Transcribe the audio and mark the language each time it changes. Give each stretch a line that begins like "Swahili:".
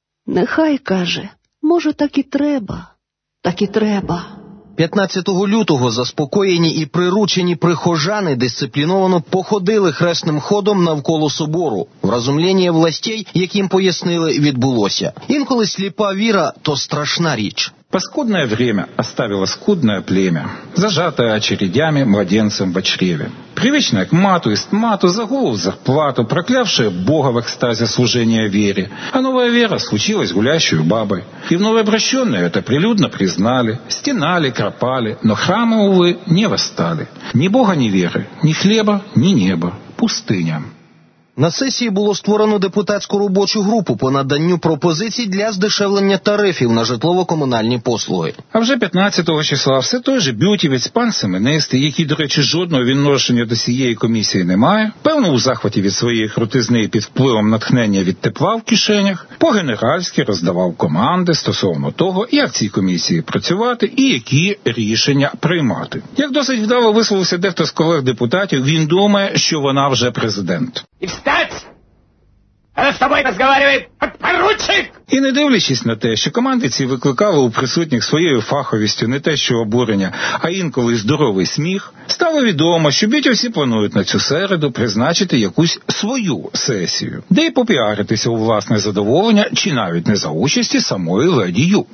Ukrainian: Нехай, каже, може так і треба, так і треба. 15 лютого заспокоєні і приручені прихожани дисципліновано походили хресним ходом навколо собору. Вразумління властей, яким пояснили, відбулося. Інколи сліпа віра – то страшна річ.
Russian: Паскудне время оставило скудне племя, зажатое очередями младенцем в чреве. Привычно к мату и стмату, загулу в зарплату, проклявшее Бога в экстазе служения вере. А новая вера случилась гулящую бабой. И новообращенные это прилюдно признали, стенали, кропали, но храмы, увы, не восстали. Ни Бога, ни веры, ни хлеба, ни неба. Пустыня.
Ukrainian: На сесії було створено депутатську робочу групу по наданню пропозицій для здешевлення тарифів на житлово-комунальні послуги. А вже 15-го числа все той же бютівець пан Семенистий, який, до речі, жодного відношення до цієї комісії не має, певно у захваті від своєї крутизни і під впливом натхнення від тепла в кишенях, по-генеральськи роздавав команди стосовно того, як цій комісії працювати і які рішення приймати. Як досить вдало висловився дехто з колег-депутатів, він думає, що вона вже президент.
Russian: Встать! Она с тобой разговаривает, подпоручик!
Ukrainian: І не дивлячись на те, що команди ці викликали у присутніх своєю фаховістю не те, що обурення, а інколи здоровий сміх, стало відомо, що бітьовці планують на цю середу призначити якусь свою сесію, де й попіаритися у власне задоволення чи навіть не за участі самої леді Ю.